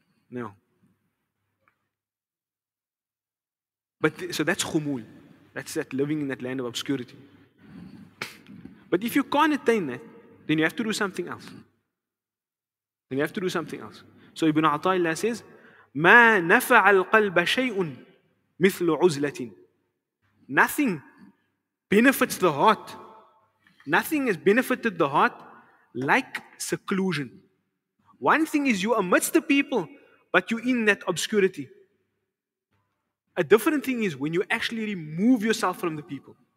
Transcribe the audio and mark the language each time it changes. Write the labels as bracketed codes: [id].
[en] No. But so that's khumul. That's that living in that land of obscurity. But if you can't attain that, then you have to do something else. Then you have to do something else. So Ibn Atayla says, [ar] مَا نَفَعَ الْقَلْبَ شَيْءٌ مِثْلُ عُزْلَةٍ. [en] Nothing benefits the heart. Nothing has benefited the heart like seclusion. One thing is you amidst the people, but you're in that obscurity. A different thing is when you actually remove yourself from the people.